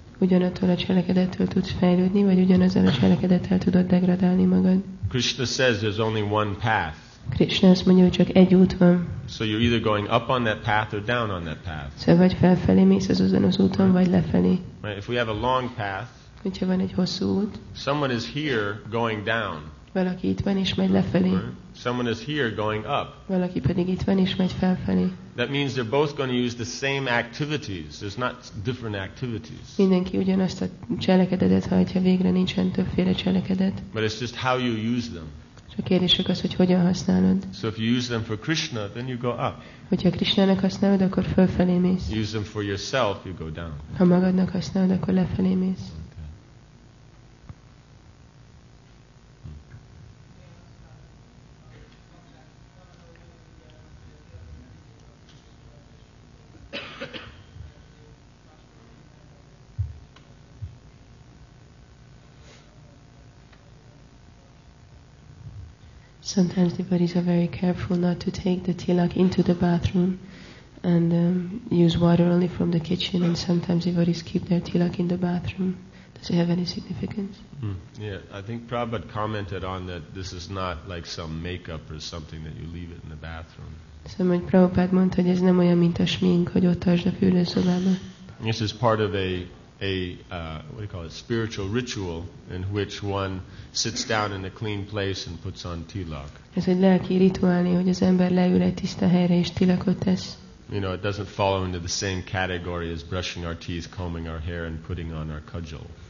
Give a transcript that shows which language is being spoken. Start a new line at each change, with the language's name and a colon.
Hungarian: Ugyanattól a cselekedettől tudsz fejlődni, vagy ugyanezzel a cselekedettel tudod degradálni magad.
English: Krishna says there's only one path.
Hungarian: Krishna azt mondja, hogy csak egy út van.
English: So you're either going up on that path or down on that path.
Hungarian: Szóval vagy felfelé mész az azon az úton, vagy lefelé.
English: Right. If we have a long path,
Hungarian: hogyha van egy hosszú út,
English: someone is here going down.
Hungarian: Valaki itt van és megy lefelé.
English: Someone is here going up.
Hungarian: Valaki pedig itt van és megy felfelé.
English: That means they're both going to use the same activities. There's not different activities.
Hungarian: Mindenki ugyanazt a cselekedetet hajtja végre, nincsen többféle cselekedet.
English: But it's just how you use them.
Hungarian: Csak kérdések az, hogy hogyan használod.
English: So if you use them for Krishna, then you go up.
Hungarian: Hogyha Krishnának használod, akkor fölfelé mész.
English: Use them for yourself, you go down.
Hungarian: Ha magadnak használod, akkor lefelé mész.
English: Sometimes devotees are very careful not to take the tilak into the bathroom and use water only from the kitchen, and sometimes devotees keep their tilak in the bathroom. Does it have any significance? Yeah, I think Prabhupada commented on that this is not like some makeup or something that you leave it in the bathroom.
Hungarian: Szóval Prabhupada mondta, hogy ez nem olyan, mint a smink, hogy ott tartsd a fürdőszobába.
English: This is part of a spiritual ritual in which one sits down in a clean place and puts on tilak.
Hungarian: Ez egy lelki rituálé, hogy az ember leül egy tiszta helyre és tilakot tesz.
English: You know, it doesn't fall into the same category as brushing our teeth, combing our hair and putting on our kajal.